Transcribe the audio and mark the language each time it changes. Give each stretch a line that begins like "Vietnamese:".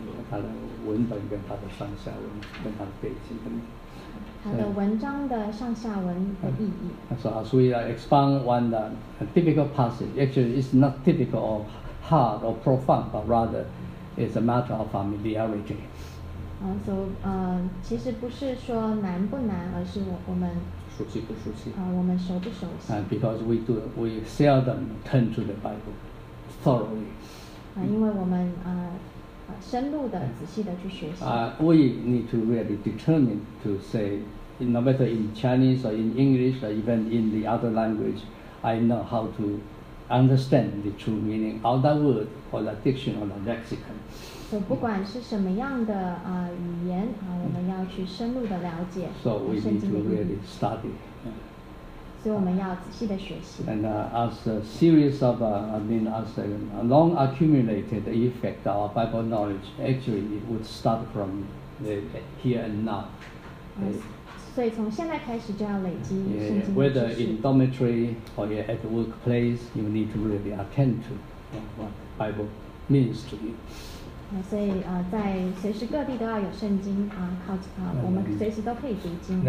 Chinese: 它的文本跟它的上下文跟它的背景跟它的文章的上下文的意义。
English: So as we expand one typical passage, actually it's not typical or hard or profound, but rather,It's a matter of familiarity.
Chinese: So, 其实不是说难不难，而是我们熟悉不熟悉。我们熟不熟悉。
English: Because we seldom turn to the Bible thoroughly.
Chinese: 因为我们深入的、仔细的去学习。
English: We need to really determine to say, no matter in Chinese or in English or even in the other language, I know how to. Understand the true meaning of that word or the diction or the lexicon.
Chinese: So, 不管是什么样的语言我们要去深入的了解圣经的意义。
English: So we need to really study.
Chinese: 所以我们要仔细的学习。
English: And as a series of, as a long accumulated effect of our Bible knowledge, actually it would start from the here and now.
Chinese: So, 从现在开始就要累积圣经的知识。
English: Whether in dormitory or at the workplace, you need to really attend to what the Bible means to you.
Chinese: 所以在随时各地都要有圣经我们随时都可以读经。